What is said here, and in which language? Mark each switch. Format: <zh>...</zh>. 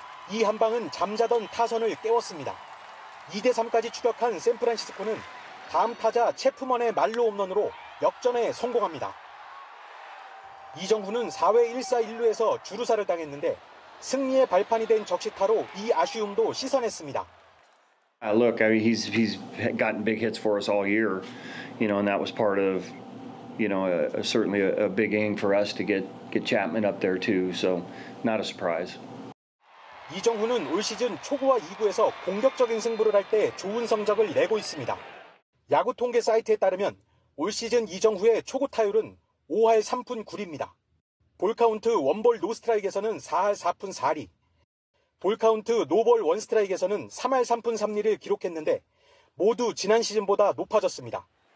<ko>이 한 방은 잠자던 타선을 깨웠습니다. 2-3까지 추격한 샌프란시스코는 다음 타자 채프먼의 만루 홈런으로 역전에 성공합니다. 이정후는 4회 1사 1루에서 주루사를 당했는데 승리의 발판이 된 적시타로 이 아쉬움도 씻어냈습니다.</ko> <en>Look, I mean, he's gotten big hits for us all year, you know, and that was part of, you know, certainly a big inning for us to get Chapman up there too. So, not a surprise.</en> <ko>이정후는 올 시즌 초구와 2구에서 공격적인 승부를 할 때 좋은 성적을 내고 있습니다. 야구 통계 사이트에 따르면 올 시즌 이정후의 초구 타율은 5할 3푼 9리입니다. 볼카운트 원볼 노스트라이크에서는 4할 4푼 4리, 볼카운트 노볼 원스트라이크에서는 3할 3푼 3리를 기록했는데 모두 지난 시즌보다 높아졌습니다.</ko>